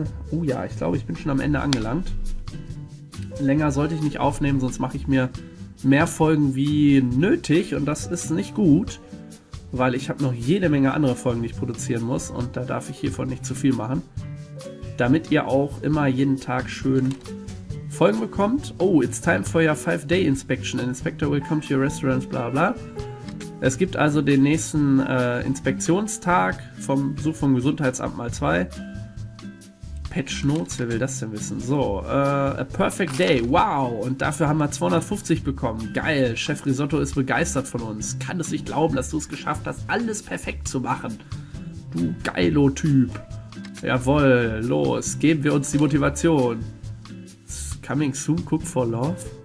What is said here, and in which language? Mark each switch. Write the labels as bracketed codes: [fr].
[de] Oh ja, ich glaube, ich bin schon am Ende angelangt. Länger sollte ich nicht aufnehmen, sonst mache ich mir mehr Folgen wie nötig und das ist nicht gut, weil ich habe noch jede Menge andere Folgen, die ich produzieren muss und da darf ich hiervon nicht zu viel machen, damit ihr auch immer jeden Tag schön Folgen bekommt. [en] Oh, it's time for your 5-day inspection. An inspector will come to your restaurant, bla bla. [de] Es gibt also den nächsten Inspektionstag vom Besuch vom Gesundheitsamt mal 2. Patch Notes, wer will das denn wissen? [en] So, a perfect day, wow! [de] Und dafür haben wir 250 bekommen. Geil, Chef Risotto ist begeistert von uns. Kann es nicht glauben, dass du es geschafft hast, alles perfekt zu machen. Du Geilo-Typ. Jawohl, los, geben wir uns die Motivation. [en] It's coming soon, cook for love.